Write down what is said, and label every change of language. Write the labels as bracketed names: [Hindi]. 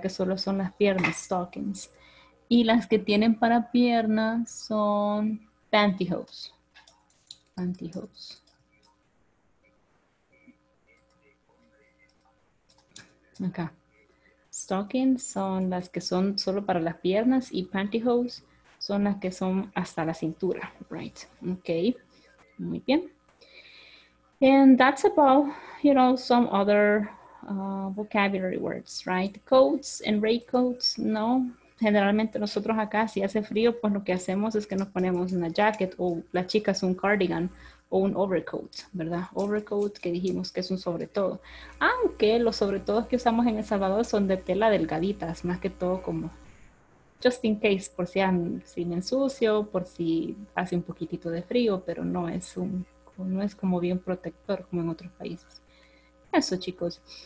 [Spanish] Que solo son las piernas, stockings. Y las que tienen para piernas son pantyhose. Pantyhose. Acá. Stockings son las que son solo para las piernas y pantyhose son las que son hasta la cintura, [English] right? [Spanish] Okay, muy bien. [English] And that's about, you know, some other vocabulary words, right? Coats and raincoats, no. [Spanish] Generalmente nosotros acá, si hace frío, pues lo que hacemos es que nos ponemos una jacket o las chicas un cardigan o un overcoat, ¿verdad? Overcoat, que dijimos que es un sobre todo. Aunque los sobre todos que usamos en El Salvador son de tela delgaditas, más que todo como [English] just in case, [Spanish] por si me ensucio, por si hace un poquitito de frío, pero no es como bien protector como en otros países. Eso, chicos.